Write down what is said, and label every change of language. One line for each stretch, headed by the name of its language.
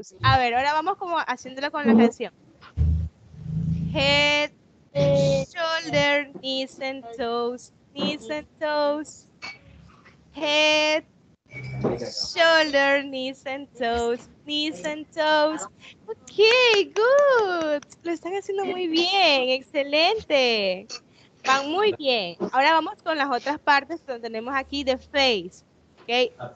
Spanish: A ver, ahora vamos como haciéndolo con la canción.
English: Head, shoulder, knees and toes, knees and toes. Head, shoulder, knees and toes, knees and toes. Ok, good.
Spanish: Lo están haciendo muy bien, excelente. Van muy bien. Ahora vamos con las otras partes donde tenemos aquí the face. Ok.